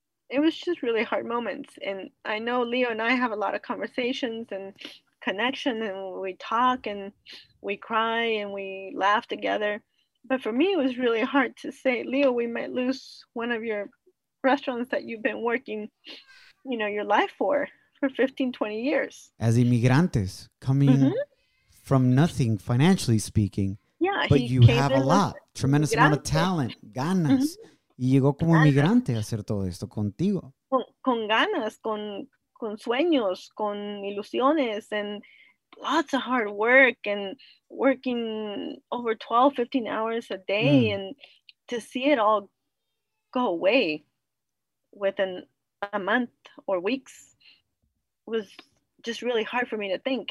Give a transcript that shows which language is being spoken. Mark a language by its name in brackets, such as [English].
[English] It was just really hard moments, and I know Leo and I have a lot of conversations and connection, and we talk and we cry and we laugh together, but for me it was really hard to say, Leo, we might lose one of your restaurants that you've been working, you know, your life for 15, 20 years. As immigrantes, coming mm-hmm. from nothing, financially speaking. Yeah. But you have a lot, tremendous amount of talent, ganas. [Spanish] Mm-hmm. Y llegó como inmigrante a hacer todo esto contigo. [English] Con ganas, con sueños, con ilusiones, and lots of hard work, and working over 12, 15 hours a day, and to see it all go away within a month or weeks was just really hard for me to think.